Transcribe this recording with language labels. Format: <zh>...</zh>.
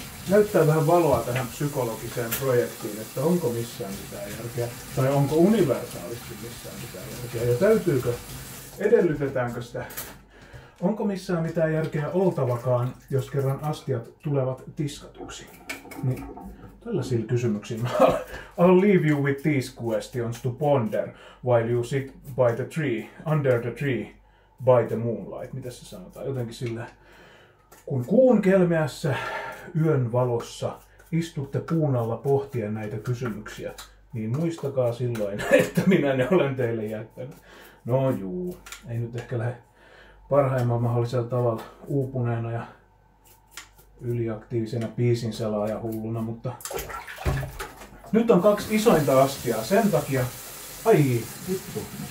<fi>Näyttää vähän valoa tähän psykologiseen projektiin, että onko missään mitään järkeä. Tai onko universaalisti missään mitään järkeä. Ja täytyykö, edellytetäänkö sitä, onko missään mitään järkeä oltavakaan, jos kerran astiat tulevat tiskatuksi. Niin, tällaisilla kysymyksillä.</fi> <en>I'll leave you with these questions to ponder while you sit by the tree, under the tree, by the moonlight.</en> <fi>Mitä se sanotaan? Jotenkin sillä, kun kuun kelmeässä yön valossa istutte puun alla pohtien näitä kysymyksiä, niin muistakaa silloin, että minä ne olen teille jättänyt. No juu, ei nyt ehkä lähde parhaimman mahdollisella tavalla uupuneena ja yliaktiivisena biisinselaaja hulluna, mutta nyt on kaksi isointa astiaa sen takia. Ai, vittu.</fi>